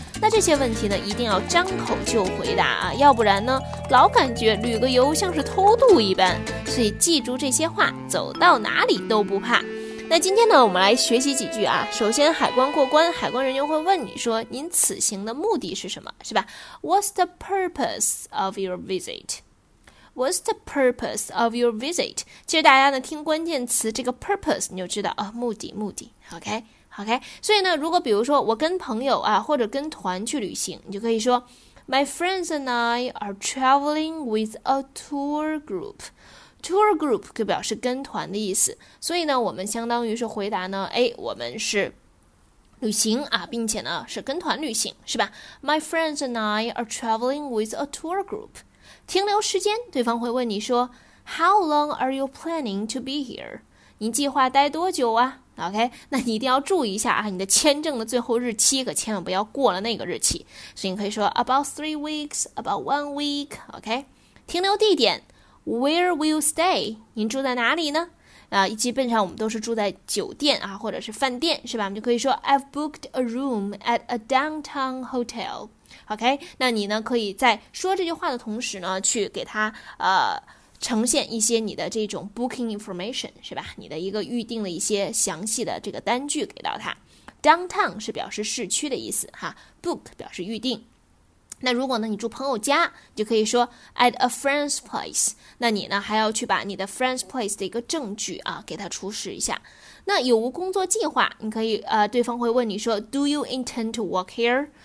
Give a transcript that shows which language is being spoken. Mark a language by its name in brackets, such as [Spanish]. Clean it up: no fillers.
[Chinese] 那这些问题呢，一定要张口就回答啊，要不然呢，老感觉旅个游像是偷渡一般。所以记住这些话，走到哪里都不怕。那今天呢，我们来学习几句啊。首先，海关过关，海关人员会问你说，您此行的目的是什么，是吧 ？ [English] What's the purpose of your visit? What's the purpose of your visit? [Chinese] 其实大家呢听关键词这个 purpose 你就知道啊、目的 OK 所以呢如果比如说我跟朋友啊或者跟团去旅行你就可以说 [English] My friends and I are traveling with a tour group [Chinese] Tour group 就表示跟团的意思所以呢我们相当于是回答呢我们是旅行啊并且呢是跟团旅行是吧 [English] My friends and I are traveling with a tour group [Chinese] 停留时间，对方会问你说 [English] How long are you planning to be here? [Chinese] 你计划待多久啊 ？OK， 那你一定要注意一下啊，你的签证的最后日期可千万不要过了那个日期。所以你可以说 [English] About 3 weeks, about 1 week, OK。 [Chinese] 停留地点 [English] Where will you stay? [Chinese] 您住在哪里呢？啊，基本上我们都是住在酒店啊，或者是饭店，是吧？我们就可以说 [English] I've booked a room at a downtown hotel. [Chinese] OK， 那你呢可以在说这句话的同时呢去给他呈现一些你的这种 [English] booking information [Chinese] 是吧你的一个预定的一些详细的这个单据给到他 downtown 是表示市区的意思哈 book 表示预定那如果呢你住朋友家就可以说 [English] at a friend's place [Chinese] 那你呢还要去把你的 [English] friend's place [Chinese] 的一个证据啊给他出示一下那有无工作计划你可以对方会问你说 [English] Do you intend to work here?